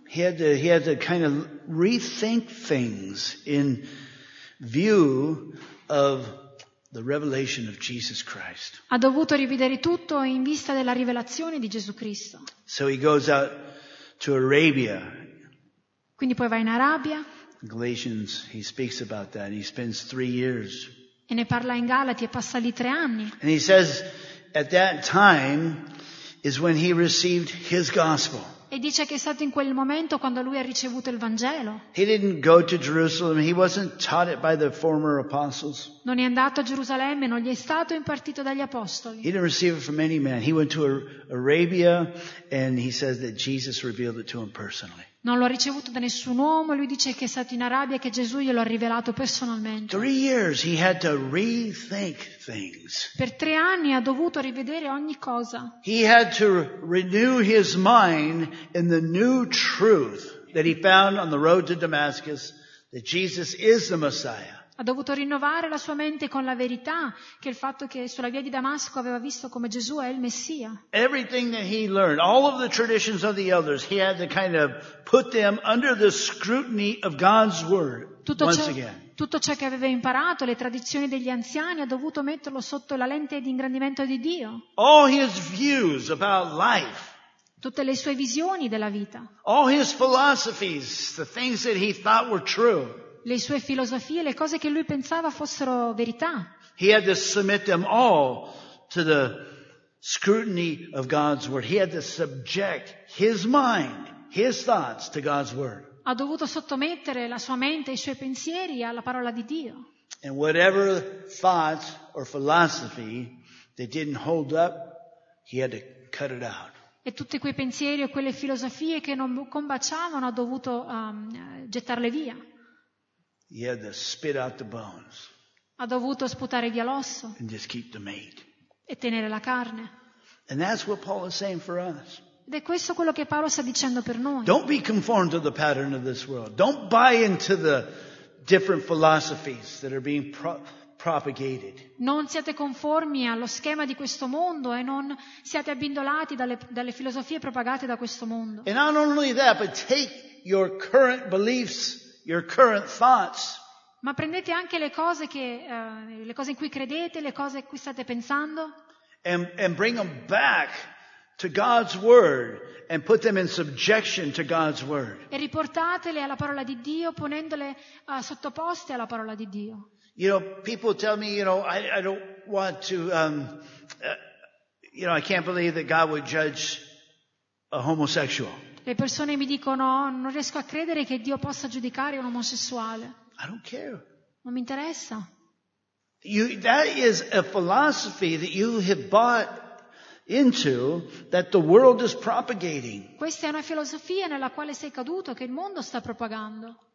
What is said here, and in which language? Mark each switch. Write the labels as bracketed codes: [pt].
[en] He had to kind of rethink things in view of the revelation of Jesus Christ. [it] Ha dovuto rivedere tutto in vista della rivelazione di Gesù Cristo. [en] So he goes out to Arabia. [it] Quindi poi va in Arabia. [en] Galatians, he speaks about that. He spends 3 years. [it] E ne parla in Galati e passa lì 3 anni. [en] And he says, at that time is when he received his gospel. [it] E dice che è stato in quel momento quando lui ha ricevuto il Vangelo. [en] He didn't go to Jerusalem. He wasn't taught it by the former apostles. [it] Non è andato a Gerusalemme, non gli è stato impartito dagli apostoli. [en] He didn't receive it from any man. He went to Arabia and he says that Jesus revealed it to him personally. [it] Non lo ha ricevuto da nessun uomo. Lui dice che è stato in Arabia che Gesù glielo ha rivelato personalmente. [en] 3 years he had to rethink things. [it] Per 3 anni ha dovuto rivedere ogni cosa. [en] He had to renew his mind in the new truth that he found on the road to Damascus, that Jesus is the Messiah. [it] Ha dovuto rinnovare la sua mente con la verità, che il fatto che sulla via di Damasco aveva visto come Gesù è il Messia. [en] Everything that he learned, all of the traditions of the elders, he had to kind of put them under the scrutiny of God's word once again. [it] Tutto ciò che aveva imparato, le tradizioni degli anziani, ha dovuto metterlo sotto la lente di ingrandimento di Dio. [en] All his views about life. [it] Tutte le sue visioni della vita. [en] All his philosophies, the things that he thought were true. [it] Le sue filosofie, le cose che lui pensava fossero verità. [en] He had to submit them all to the scrutiny of God's word. He had to subject his mind, his thoughts to God's word. [it] Ha dovuto sottomettere la sua mente e i suoi pensieri alla parola di Dio. [en] And whatever thoughts or philosophy that didn't hold up, he had to cut it out. [it] E tutti quei pensieri o quelle filosofie che non combaciavano ha dovuto gettarle via. [en] He had to spit out the bones. [it] Ha dovuto sputare via l'osso. [en] And just keep the meat. [it] E tenere la carne. [en] And that's what Paul is saying for us. [it] Ed è questo quello che Paolo sta dicendo per noi. [en] Don't be conformed to the pattern of this world. Don't buy into the different philosophies that are being propagated. [it] Non siate conformi allo schema di questo mondo e non siate abbindolati dalle filosofie propagate da questo mondo. [en] And not only that, but take your current beliefs. Your current thoughts. [it] Ma prendete anche le cose che le cose in cui credete, le cose a cui state pensando. [en] And bring them back to God's word and put them in subjection to God's word. [it] E riportatele alla parola di Dio, ponendole sottoposte alla parola di Dio. [en] You know, people tell me, you know, I don't want to, you know, I can't believe that God would judge a homosexual. [it] Le persone mi dicono, non riesco a credere che Dio possa giudicare un omosessuale. [en] I don't care. [it] Non mi interessa. [en] That is a philosophy that you have bought into that the world is propagating. [it] Questa è una filosofia nella quale sei caduto, che il mondo sta propagando.